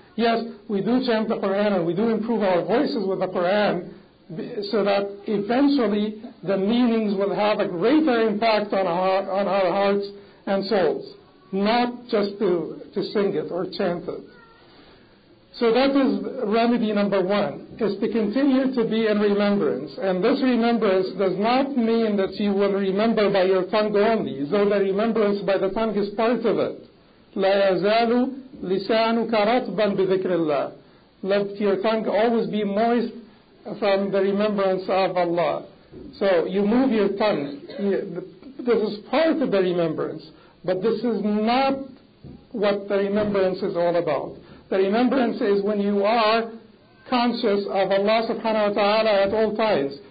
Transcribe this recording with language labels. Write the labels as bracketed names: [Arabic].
[English] Yes, we do chant the Quran and we do improve our voices with the Quran so that eventually the meanings will have a greater impact on our hearts and souls, not just to sing it or chant it. So that is remedy number one, is to continue to be in remembrance. And this remembrance does not mean that you will remember by your tongue only, though the remembrance by the tongue is part of it. [Arabic] لا يزال لسانك رطبا بذكر الله. [English] Let your tongue always be moist from the remembrance of Allah. So you move your tongue. This is part of the remembrance, but this is not what the remembrance is all about. The remembrance is when you are conscious of Allah subhanahu wa ta'ala at all times.